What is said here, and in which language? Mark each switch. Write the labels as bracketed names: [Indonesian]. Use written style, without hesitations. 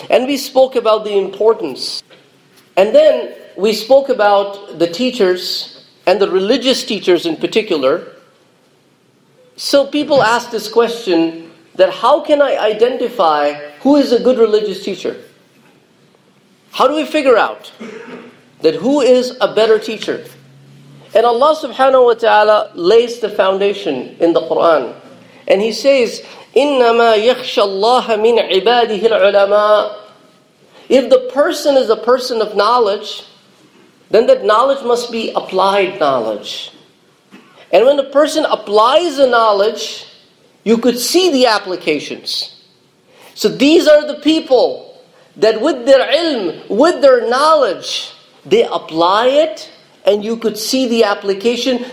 [English] And we spoke about the importance. And then we spoke about the teachers and the religious teachers in particular. So people ask this question, that how can I identify who is a good religious teacher? How do we figure out that who is a better teacher? And Allah subhanahu wa ta'ala lays the foundation in the Quran. And He says, [Arabic] إِنَّمَا يَخْشَ اللَّهَ مِنْ عِبَادِهِ الْعُلَمَاءِ. [English] If the person is a person of knowledge, then that knowledge must be applied knowledge. And when the person applies the knowledge, you could see the applications. So these are the people that with their ilm, with their knowledge, they apply it and you could see the application.